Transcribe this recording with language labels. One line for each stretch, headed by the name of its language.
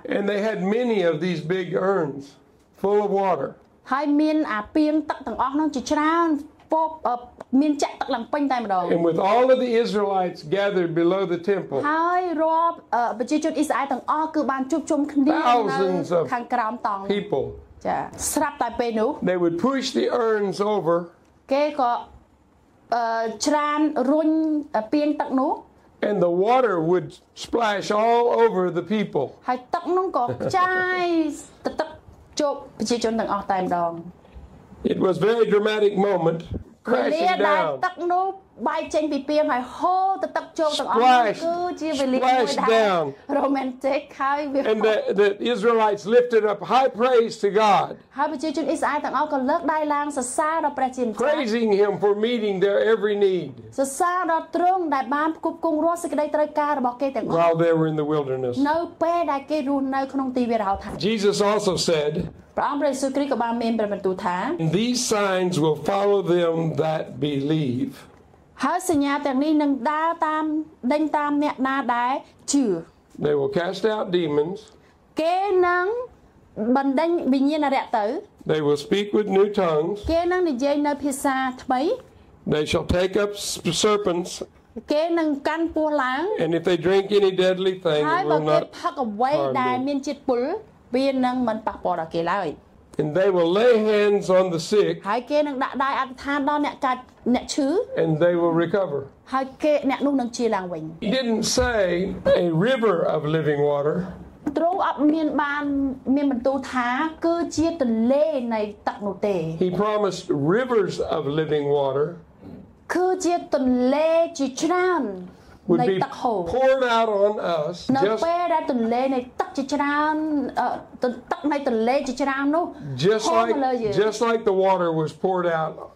English: And they had many of these big urns full of water
Khmer: ហើយមានអាពាងទឹកទាំងអស់នោះជាច្រើនពពមានចាក់ទឹកឡើងពេញតែម្ដង
English: And with all of the Israelites gathered below the temple
Khmer: ហើយរាប់ប្រជាជនអ៊ីស្រាអែលទាំងអស់គឺបានជួបជុំគ្នានៅខាងក្រោមតង់
English: People
Khmer: ចាស្រាប់តែពេលនោះ
English: They would push the urns over
Khmer: គេក៏ច្រានរុញពាងទឹកនោះ
English: And the water would splash all over the people
Khmer: ហើយទឹកនោះក៏ខ្ចាយទឹកជប់ប្រជាជនទាំងអស់តែម្ដង
English: It was a very dramatic moment crashing down.
Khmer: ទឹកនោះបាយចេញពីពាងហើយហូរទៅទឹកជោកទាំងអស់គឺជាវេលាមួយដែល romantic ហើយ
English: And the Israelites lifted up high praise to God.
Khmer: ហើយប្រជាជនអ៊ីស្រាអែលទាំងអស់ក៏លើកដៃឡើងសរសើរដល់ព្រះជាម្ចាស់
English: Praising him for meeting their every need.
Khmer: សរសើរដល់ទ្រង់ដែលបានផ្គត់ផ្គង់រាល់សេចក្តីត្រូវការរបស់គេទាំងអស់
English: While they were in the wilderness.
Khmer: នៅពេលដែលគេរស់នៅក្នុងទីវាលហោថា
English: Jesus also said
Khmer: ព្រះអម្ចាស់យេស៊ូវគ្រីស្ទក៏បានមានព្រះបន្ទូលថា
English: These signs will follow them that believe.
Khmer: ហើយសញ្ញាទាំងនេះនឹងដើរតាមដេញតាមអ្នកណាដែលជឿ
English: They will cast out demons.
Khmer: គេនឹងបណ្ដេញវិញ្ញាណអារក្សទៅ
English: They will speak with new tongues.
Khmer: គេនឹងនិយាយនៅភាសាថ្មី
English: They shall take up serpents.
Khmer: គេនឹងកាន់ពស់ឡើង
English: And if they drink any deadly thing
Khmer: ហើយបើគេផឹកអ្វីដែលមានជាតិពុលវានឹងមិនប៉ះពាល់ដល់គេឡើយ
English: And they will lay hands on the sick
Khmer: ហើយគេនឹងដាក់ដៃអធិដ្ឋានដល់អ្នកកាច់អ្នកឈឺ
English: And they will recover
Khmer: ហើយគេអ្នកនោះនឹងជាឡើងវិញ
English: He didn't say a river of living water
Khmer: ទ្រង់អត់មានបានមានបន្ទូលថាគឺជាទន្លេនៃទឹកនោះទេ
English: He promised rivers of living water
Khmer: គឺជាទន្លេជាច្រើន
English: Would be poured out on us just like just like the water was poured out